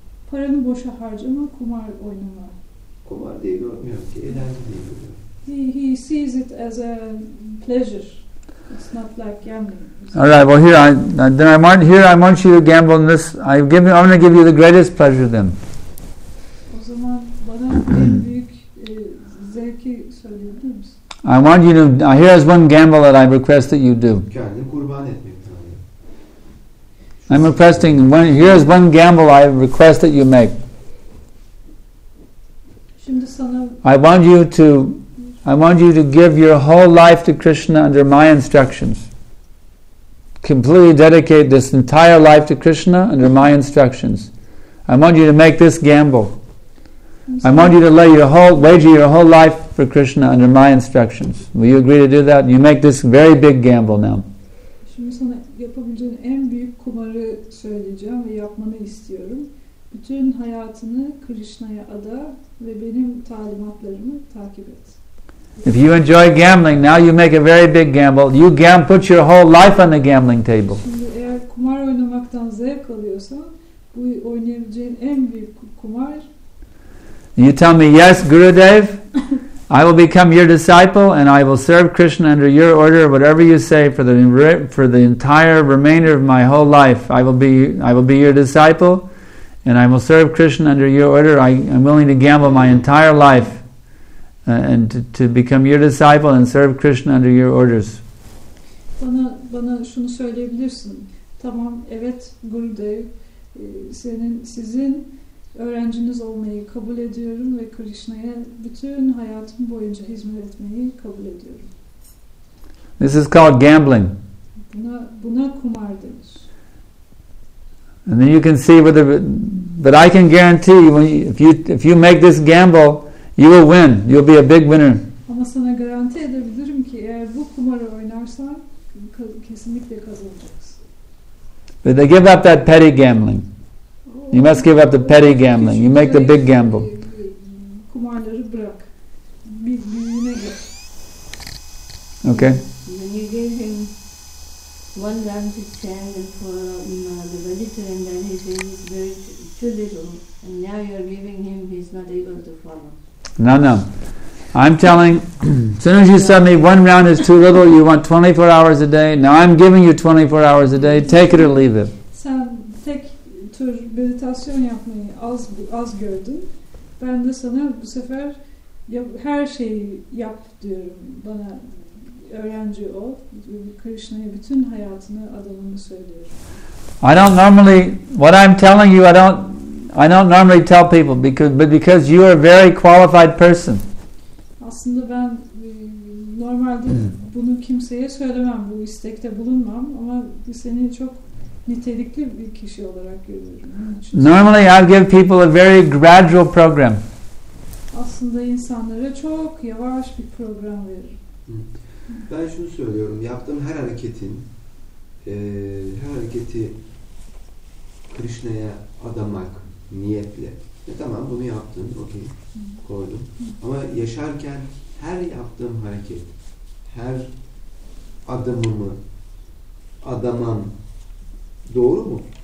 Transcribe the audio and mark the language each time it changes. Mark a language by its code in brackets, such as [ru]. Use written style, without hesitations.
[tr] Paranı boşa harcama, kumar oynama. Kumar diye görmüyorum ki, enerji diye görüyorum. [en] He sees it as a pleasure. It's not like gambling. All right. Well, I want you to gamble on this. I'm going to give you the greatest pleasure then. [tr] O zaman bana en büyük zevki söylüyor, değil misin? [en] I want you to. Here is one gamble that I request that you do. [tr] Kendini kurban etmek lazım. [en] I'm requesting. Here is one gamble I request that you make. [tr] Şimdi sana. [en] I want you to give your whole life to Krishna under my instructions. Completely dedicate this entire life to Krishna under my instructions. I want you to make this gamble. I want you to wager your whole life for Krishna under my instructions. Will you agree to do that? You make this very big gamble now. [tr] Şimdi sana yapabileceğin en büyük kumarı söyleyeceğim ve yapmanı istiyorum. Bütün hayatını Krishna'ya ada ve benim talimatlarımı takip et. [en] If you enjoy gambling, now you make a very big gamble. You put your whole life on the gambling table. [tr] Şimdi eğer kumar oynamaktan zevk alıyorsan, bu oynayabileceğin en büyük kumar. [en] You tell me yes, Gurudev. I will become your disciple and I will serve Krishna under your order, whatever you say, for the entire remainder of my whole life. I will be your disciple, and I will serve Krishna under your order. I'm willing to gamble my entire life. And to become your disciple and serve Krishna under your orders. [tr] Bana şunu söyleyebilirsin. Tamam, evet Gurudev, sizin öğrenciniz olmayı kabul ediyorum ve Krishna'ya bütün hayatım boyunca hizmet etmeyi kabul ediyorum. [en] This is called gambling. [tr] Buna kumar denir. [en] And then you can see but I can guarantee you, if you make this gamble, you will win. You'll be a big winner. [tr] Ama sana garanti edebilirim ki eğer bu kumarı oynarsan kesinlikle kazanacaksın. [en] But they give up that petty gambling. You must give up the petty gambling. You make the big gamble. [tr] Kumarları bırak. Büyüğüne gir. [en] Okay. When you gave him one lamb to stand for the visitor, and then he said he's very too little, and now you're giving him, he's not able to follow. No, no. I'm telling, as soon as you said me one round is too little, you want 24 hours a day, now I'm giving you 24 hours a day, take it or leave it. [tr] Sen tek tür meditasyon yapmayı az gördün. Ben de sana bu sefer her şeyi yap diyorum. Bana öğrenci ol. Krishna'ya bütün hayatını adamını söylüyorum. [en] I don't normally, what I'm telling you, I don't normally tell people, because you are a very qualified person. [tr] Aslında ben normalde bunu kimseye söylemem, bu istekte bulunmam, ama seni çok nitelikli bir kişi olarak görüyorum. [en] Normally I give people a very gradual program. [tr] Aslında insanlara çok yavaş bir program veririm. Ben şunu söylüyorum, yaptığım her hareketin her hareketi Krishna'ya adamak niyetle. Tamam, bunu yaptın, okey, koydum. Ama yaşarken her yaptığım hareket, her adımımı adamam doğru mu?